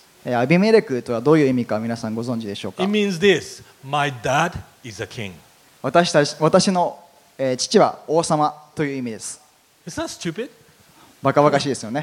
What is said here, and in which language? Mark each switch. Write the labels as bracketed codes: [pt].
[ja] アビメレクとはどういう意味か皆さんご存知でしょうか? [en] It means this: My dad is a king. [ja] 私の父は王様という意味です。 [en] Is that stupid? [ja] バカバカしいですよね。